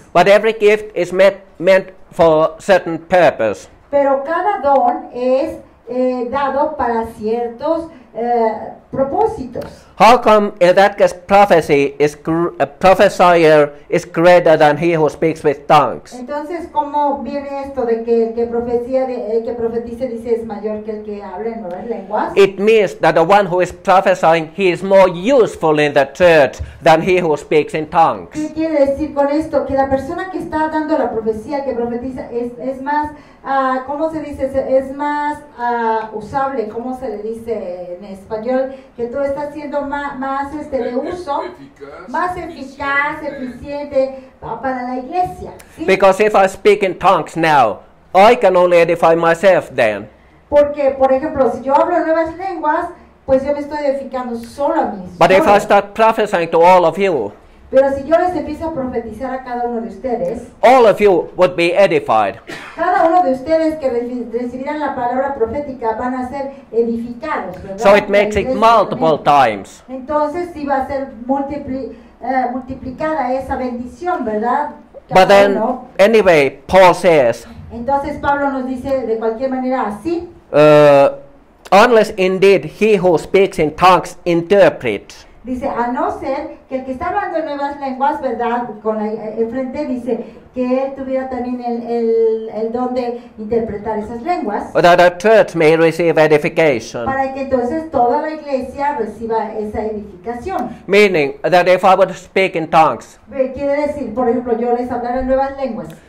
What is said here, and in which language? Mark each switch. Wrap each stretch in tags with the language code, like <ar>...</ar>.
<en>But every gift is meant for certain purpose.</en> <es>Pero cada don es dado para ciertos propósitos.</es> <en>How come in that case prophecy is a prophesier is greater than he who speaks with tongues?</en> <es>Entonces, ¿cómo viene esto de que el que profetice dice es mayor que el que habla en otras lenguas?</es> <en>It means that the one who is prophesying, he is more useful in the church than he who speaks in tongues.</en> <es>¿Qué quiere decir con esto? Que la persona que está dando la profecía, que profetiza, es más, ¿cómo se dice? Es más usable, ¿cómo se le dice en español? Que tú estás haciendo más de uso, más eficaz, eficiente para la iglesia, ¿sí?</es> <en>Because if I speak in tongues now, I can only edify myself then.</en> <es>Porque, por ejemplo, si yo hablo nuevas lenguas, pues yo me estoy edificando solo a mí.</es> <en>But if I start prophesying to all of you,</en> <es>pero si yo les empiezo a profetizar a cada uno de ustedes,</es> <en>all of you would be edified.</en> <es>Cada uno de ustedes que recibirán la palabra profética van a ser edificados, ¿verdad?</es> <en>So it makes it multiple times.</en> <es>Entonces sí va a ser multiplicada esa bendición, ¿verdad?</es> <en>Cada But then,</en> <es>uno.</es> <en>Anyway, Paul says.</en> <es>Entonces Pablo nos dice de cualquier manera así.</es> <en>Unless indeed he who speaks in tongues interprets.</en> <es>Dice, a no ser que el que está hablando en nuevas lenguas, ¿verdad? Con el frente dice que él tuviera también el don de interpretar esas lenguas.</es> <en>That the church may receive edification.</en> <es>Para que entonces toda la iglesia reciba esa edificación.</es> <en>Meaning that if I would speak in tongues.</en> <es>Quiere decir, por ejemplo, yo les hablar en nuevas lenguas.</es>